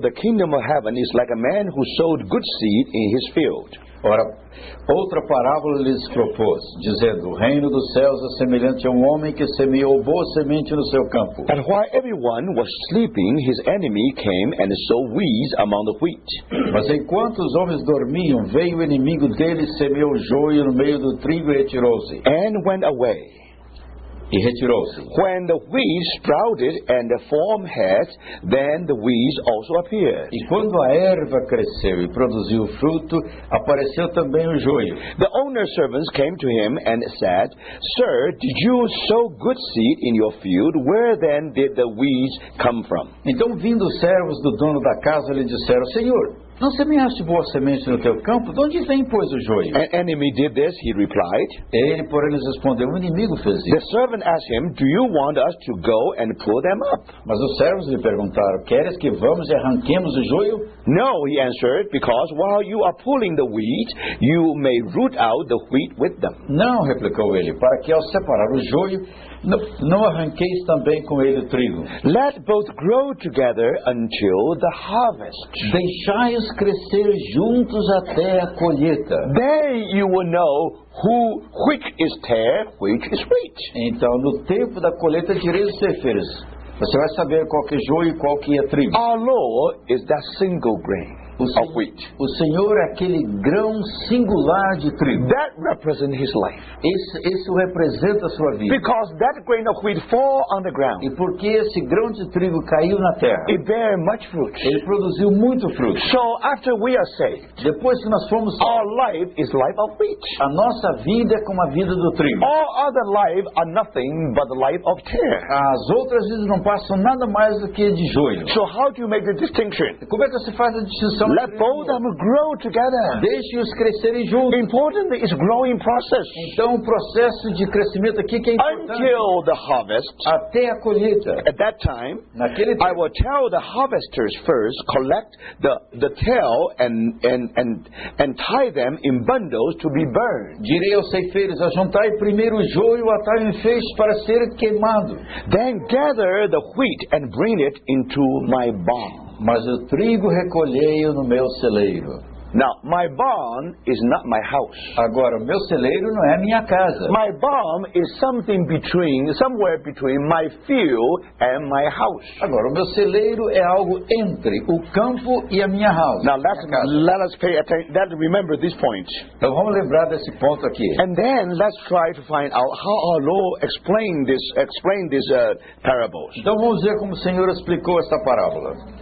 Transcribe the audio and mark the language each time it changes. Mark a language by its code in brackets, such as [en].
[en] The kingdom of heaven is like a man who sowed good seed in his field. [pt] Ora, outra parábola lhes propôs, dizendo: o reino dos céus é semelhante a um homem que semeou boa semente no seu campo. [en] And while everyone was sleeping, his enemy came and sowed weeds among the wheat. [pt] Mas enquanto os homens dormiam, veio o inimigo dele, semeou joio no meio do trigo e retirou-se. [en] And went away. [pt] E retirou-se. [en] When the weeds sprouted and the form had, then the weeds also appeared. [pt] E quando a erva cresceu e produziu fruto, apareceu também o joio. [en] The owner's servants came to him and said, Sir, did you sow good seed in your field? Where then did the weeds come from? [pt] Então, vindo os servos do dono da casa, lhe disseram, Senhor, não semeaste boa semente no teu campo? De onde vem, pois, o joio? [en] An enemy did this, he replied. [pt] Ele, porém, lhes respondeu, o inimigo fez isso. [en] The servant asked him, do you want us to go and pull them up? [pt] Mas os servos lhe perguntaram, queres que vamos e arranquemos o joio? [en] No, he answered, because while you are pulling the wheat, you may root out the wheat with them. [pt] Não, replicou ele, para que ao separar o joio, não arranqueis também com ele o trigo. [en] Let both grow together until the harvest. [pt] Deixai-os crescer juntos até a colheita. [en] Then you will know which is tare, which is wheat. [pt] Então, no tempo da colheita, direi os ceifeiros. Você vai saber qual que é joio e qual que é trigo. [en] Our Lord is that single grain. [pt] O Senhor é aquele grão singular de trigo. [en] That represents his life. [pt] Isso representa a sua vida. [en] Because that grain of wheat fall on the ground. [pt] E porque esse grão de trigo caiu na terra. [en] It bear much fruit. [pt] Ele produziu muito fruto. [en] So after we are saved, [pt] depois que nós fomos salvos, [en] our life is life of wheat. [pt] A nossa vida é como a vida do trigo. [en] All other life are nothing but the life of tare. [pt] As outras vidas não passam nada mais do que de joio. [en] So how do you make the distinction? [pt] Como é que você faz a distinção? [en] Let both them grow together. [pt] Deixe-os crescerem juntos. [en] Importantly, it's growing process. [pt] Então, o processo de crescimento aqui que é importante. [en] Until the harvest. [pt] Até a colheita. [en] At that time, [pt] naquele tempo, [en] I will tell the harvesters first, collect the tail and tie them in bundles to be burned. [pt] Direi aos ceifeiros, ajuntai primeiro o joio, atai em feixes para ser queimado. [en] Then gather the wheat and bring it into my barn. [pt] Mas o trigo recolhei-o no meu celeiro. [en] Now, my barn is not my house. [pt] Agora, o meu celeiro não é a minha casa. [en] My barn is something between, somewhere between my field and my house. [pt] Agora, o meu celeiro é algo entre o campo e a minha [en] house. Now, let us pay attention, let's remember this point. [pt] Então, vamos lembrar desse ponto aqui. [en] And then, let's try to find out how our Lord explained this parable. [pt] Então, vamos ver como o Senhor explicou esta parábola.